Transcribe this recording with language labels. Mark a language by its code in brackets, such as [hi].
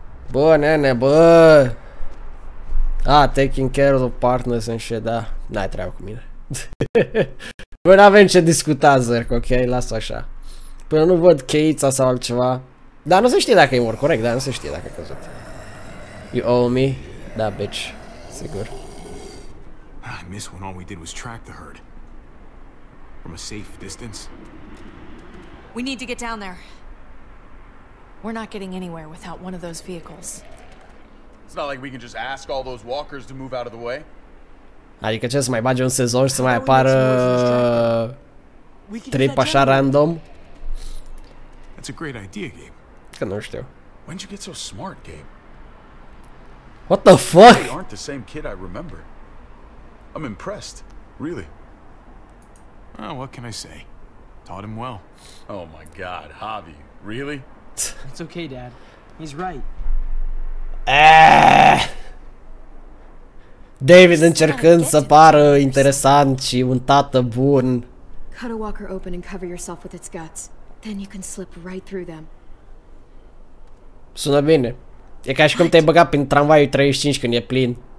[ro] Bă, nene, bă! [en] Ah, taking care of the partners and shit, [ro] da. N-ai treabă cu mine. Bă, n-avem ce discuta, Zerg, ok? Las-o așa. Până nu văd cheița sau altceva. Dar nu se știe dacă e mor, corect, dar nu se știe dacă a căzut. [en] You owe me? [ro] Da, [en] bitch. [ro] Sigur. [en] I miss when all we did was track the herd. From a safe distance. We need to get down there. We're not getting anywhere without one of those vehicles. It's not like we can just ask all those walkers to move out of the way. [ro] Adică ce, să mai bage un sezon și să mai apară Trip așa random? [en] That's a great idea, Gabe. [ro] Că nu știu. [en] When'd you get so smart, Gabe? What the fuck? You aren't the same kid I remember. I'm impressed, really. Oh, what can I say? Taught him well. Oh my god, Javi, really? It's okay, Dad. He's right. [ro] David încercând să pară interesant și un tată bun. [en] Cut a walker open and cover yourself with its guts. Then you can slip right through them. [ro] Sună bine. E ca și cum te-ai băgat prin tramvaiul 35 când e plin.